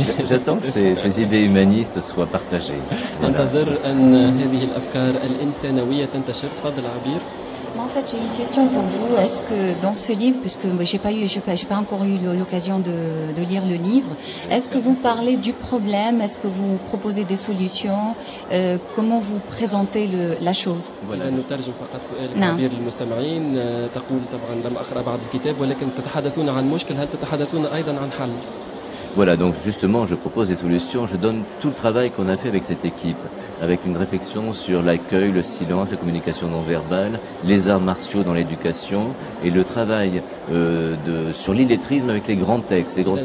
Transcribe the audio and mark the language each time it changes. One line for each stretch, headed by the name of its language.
French: J'attends que ces idées humanistes soient partagées.
Arabic: انتظر أن هذه الأفكار الإنسانوية تنتشر. تفضل عبير.
French: Moi, en fait, j'ai une question pour vous. Est-ce que dans ce livre, puisque j'ai pas encore eu l'occasion de lire le livre, est-ce que vous parlez du problème? Est-ce que vous proposez des solutions? Comment vous présentez la chose? Voilà, nous
Arabic: ترجم فقط سؤال كبير للمستمعين. تقول طبعا لم أقرأ بعض الكتاب ولكن تتحدثون عن مشكل هل تتحدثون أيضا عن حل؟
French: Voilà, donc justement, je propose des solutions, je donne tout le travail qu'on a fait avec cette équipe, avec une réflexion sur l'accueil, le silence, la communication non-verbale, les arts martiaux dans l'éducation, et le travail sur l'illettrisme avec les grands textes.